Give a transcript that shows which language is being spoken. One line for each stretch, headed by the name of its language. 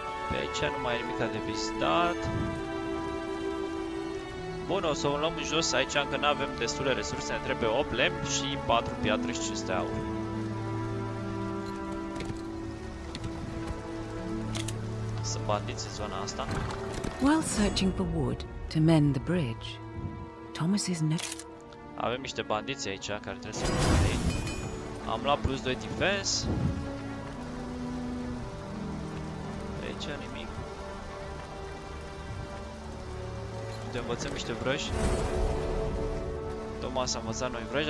Romanian: Pe aici nu mai e nimic de vizitat. Bun, o să o luăm jos, aici încă nu avem destule resurse, ne trebuie 8 lemn și 4 piatră și 5 aur. Sunt bandiți în zona asta.
English: While searching for wood to mend the bridge, Thomas is not.
Romanian: Avem niște bandiți aici care trebuie să luăm. Am luat plus 2 defense. Pe aici nimic. Te învățăm niște vrăși. Tot acum s-a învățat noi vrăji.